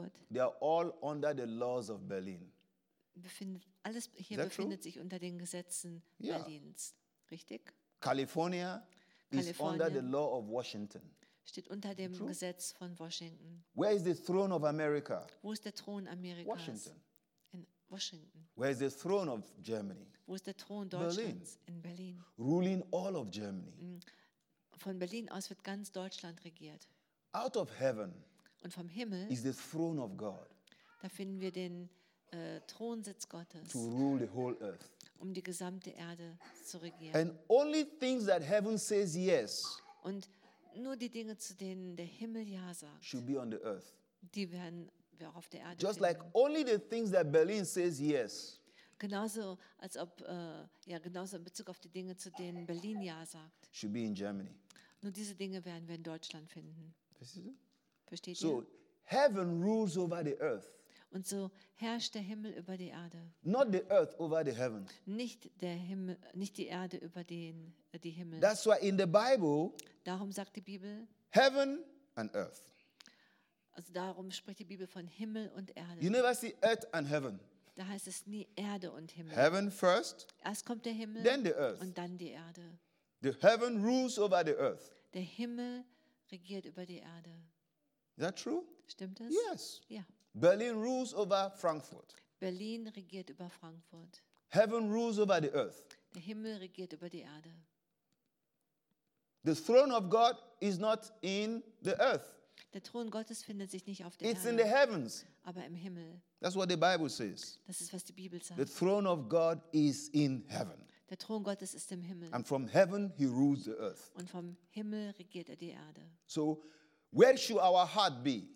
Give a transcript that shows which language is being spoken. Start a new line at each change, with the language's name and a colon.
English: They are all under the laws of Berlin.
German: Alles hier befindet sich unter den Gesetzen Berlins. Richtig?
English: California is under the law of Washington.
German: Steht unter dem
English: True.
German: Gesetz von Washington.
English: Where is the throne of America?
German: Wo ist der Thron Amerikas?
English: Washington.
German: In Washington.
English: Where is the throne of Germany?
German: Wo ist der Thron Deutschlands? In Berlin.
English: Ruling all of Germany.
German: Von Berlin aus wird ganz Deutschland regiert.
English: Out of heaven.
German: Und vom Himmel.
English: Is the throne of God.
German: Da finden wir den Thronsitz Gottes.
English: To rule the whole earth.
German: Um die gesamte Erde zu regieren.
English: And only things that heaven says yes.
German: Und nur die Dinge, zu denen der Himmel ja sagt.
English: Should be on the earth.
German: Die werden wir auch auf der Erde.
English: Just like only the things that Berlin says yes.
German: Genauso als ob genauso in Bezug auf die Dinge, zu denen Berlin ja sagt.
English: Should be in Germany.
German: Nur diese Dinge werden wir in Deutschland finden. Versteht ihr?
English: So heaven rules over the earth.
German: Und so herrscht der Himmel über die Erde.
English: Not the earth over the heavens.
German: Nicht der Himmel, nicht die Erde über den die Himmel.
English: That's why in the Bible.
German: Darum sagt die Bibel.
English: Heaven and earth.
German: Also darum spricht die Bibel von Himmel und Erde.
English: You never see earth and heaven.
German: Da heißt es nie Erde und Himmel.
English: Heaven first.
German: Erst kommt der Himmel.
English: Then the earth.
German: Und dann die Erde.
English: The heaven rules over the earth.
German: Der Himmel regiert über die Erde.
English: Is that true?
German: Stimmt das?
English: Yes.
German: Ja.
English: Berlin rules over Frankfurt.
German: Berlin regiert über Frankfurt.
English: Heaven rules over the earth.
German: Der Himmel regiert über die Erde.
English: The throne of God is not in the earth.
German: Der Thron Gottes findet sich nicht auf der
English: It's
German: Erde.
English: It's in the heavens.
German: Aber im Himmel.
English: That's what the Bible says.
German: Das ist was die Bibel sagt.
English: The throne of God is in heaven.
German: Der Thron Gottes ist im Himmel.
English: And from heaven he rules the earth.
German: Und vom Himmel regiert er die Erde.
English: So where should our heart be?